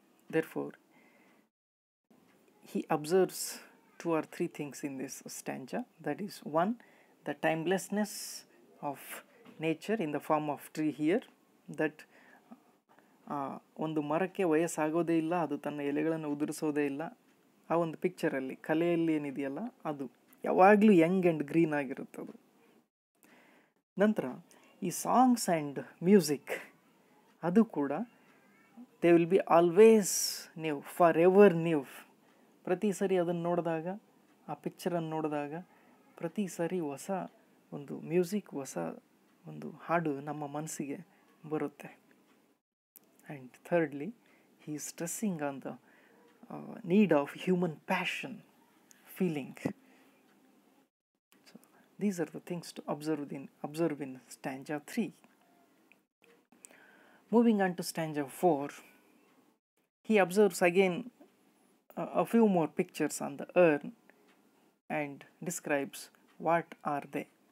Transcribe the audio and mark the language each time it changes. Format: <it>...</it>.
<en>Therefore, he observes two or three things in this stanza. That is, one, the timelessness of nature in the form of tree here, that</en> <kn>ಒಂದು ಮರಕ್ಕೆ ವಯಸ್ಸಾಗೋದೇ ಇಲ್ಲ, ಅದು ತನ್ನ ಎಲೆಗಳನ್ನು ಉದುರಿಸೋದೇ ಇಲ್ಲ. ಆ ಒಂದು ಪಿಕ್ಚರಲ್ಲಿ, ಕಲೆಯಲ್ಲಿ ಏನಿದೆಯಲ್ಲ, ಅದು ಯಾವಾಗಲೂ</kn> <en>young and green</en> <kn>ಆಗಿರುತ್ತೆ ಅದು. ನಂತರ ಈ</kn> <en>songs and music,</en> <kn>ಅದು ಕೂಡ</kn> <en>They will be always new, for ever new.</en> <kn>ಪ್ರತಿ ಸರಿ ಅದನ್ನು ನೋಡಿದಾಗ, ಆ ಪಿಕ್ಚರನ್ನು ನೋಡಿದಾಗ, ಪ್ರತಿ ಸರಿ ಹೊಸ ಒಂದು ಮ್ಯೂಸಿಕ್, ಹೊಸ ಒಂದು ಹಾಡು ನಮ್ಮ ಮನಸ್ಸಿಗೆ ಬರುತ್ತೆ.</kn> <en>And thirdly, he is stressing on the need of human passion, feeling. So these are the things to observe in stanza 3. Moving on to stanza 4, he observes again a few more pictures on the urn and describes what are they.</en>